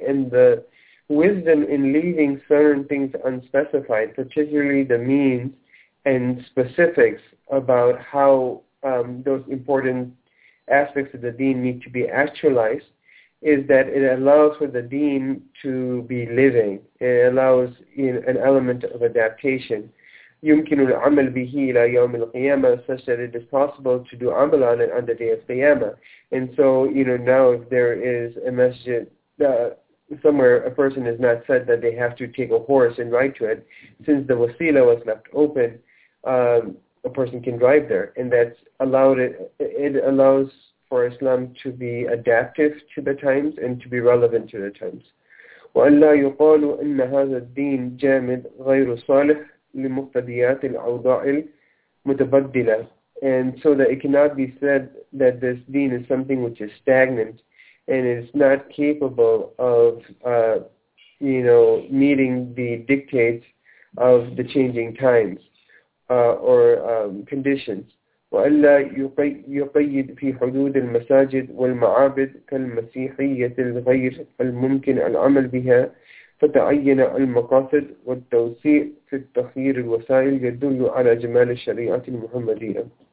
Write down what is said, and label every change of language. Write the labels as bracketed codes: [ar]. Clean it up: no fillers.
[en] And the wisdom in leaving certain things unspecified, particularly the means and specifics about how those important aspects of the deen need to be actualized, is that it allows for the deen to be living. It allows an element of adaptation. [ar] يمكن العمل به إلى يوم القيامة, [en] such that it is possible to do amal on it on the day of Qiyamah. And so, you know, now if there is a masjid somewhere, a person is not said that they have to take a horse and ride to it. Since the wasila was left open, a person can drive there. And that's allowed it allows for Islam to be adaptive to the times and to be relevant to the times. [ar] وأن لا يقال أن هذا الدين جامد غير صالح لمقتضيات الأوضاع المتبدلة. [en] And so that it cannot be said that this deen is something which is stagnant and is not capable of you know, meeting the dictates of the changing times or conditions. [ar] وألا يقيد في حدود المساجد والمعابد كالمسيحية الغير الممكن العمل بها فتعين المقاصد والتوسيع في التخيير الوسائل يدل على جمال الشريعة المحمدية.